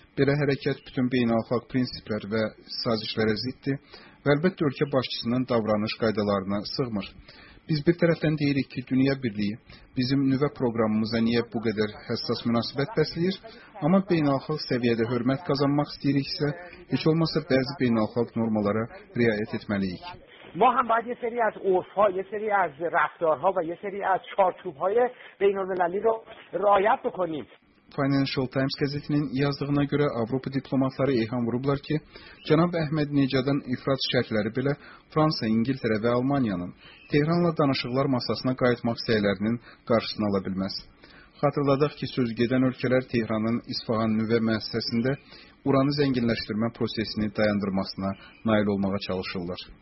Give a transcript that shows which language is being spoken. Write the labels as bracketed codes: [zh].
[az] Belə hərəkət bütün beynəlxalq prinsiplər və sazişlərə ziddir və əlbəttə ölkə başçısının davranış qaydalarına sığmır. Biz bir tərəfdən deyirik ki, Dünya Birliyi bizim nüvə proqramımıza niyə bu qədər həssas münasibət bəsləyir, amma beynəlxalq səviyyədə hörmət qazanmaq istəyiriksə, heç olmasa bəzi beynəlxalq normalara riayət etməliyik. [fa] ما هم باید یه سری از عرف‌ها، یه سری از رفتارها و یه سری از چارچوب‌های بین‌المللی رو رعایت بکنیم. [az] Financial Times gazetinin yazdığına görə Avropa diplomatları eyham vurublar ki, cənab Əhmədnəcadın ifrat şərhləri belə Fransa, İngiltərə və Almaniyanın Tehranla danışıqlar masasına qayıtmaq səylərinin qarşısını ala bilməz. Xatırladaq ki, söz gedən ölkələr Tehranın İsfahan nüvə müəssisəsində uranı zənginləşdirmə prosesini dayandırmasına nail olmağa çalışırlar.